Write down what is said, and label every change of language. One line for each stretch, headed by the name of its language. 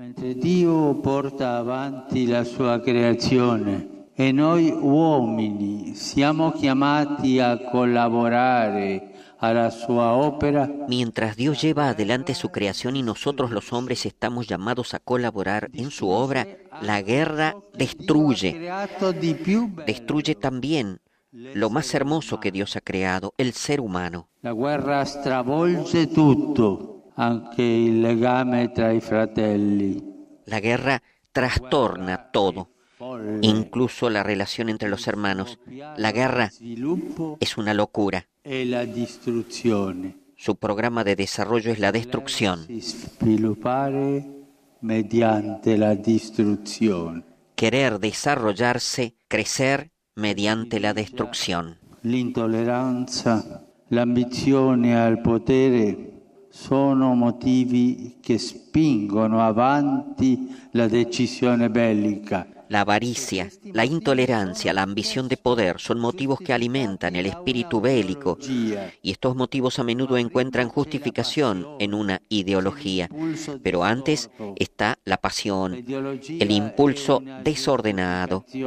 Italian: Mentre Dio porta avanti la sua creazione e noi uomini siamo chiamati a collaborare a la sua opera.
Spanish: Mientras Dios lleva adelante su creación y nosotros los hombres estamos llamados a colaborar en su obra, la guerra destruye. Destruye también lo más hermoso que Dios ha creado, el ser humano.
Italian: La guerra stravolge tutto. Anche il legame tra i fratelli.
Spanish: La guerra trastorna todo, incluso la relación entre los hermanos. La guerra es una locura. Su programa de desarrollo es la destrucción. Querer desarrollarse, crecer mediante la destrucción.
Italian: L'intolleranza, l'ambizione al potere sono motivi che spingono avanti la decisione bellica.
Spanish: La avaricia, la intolerancia, la ambición de poder son motivos que alimentan el espíritu bélico y estos motivos a menudo encuentran justificación en una ideología. Pero antes está la pasión, el impulso desordenado.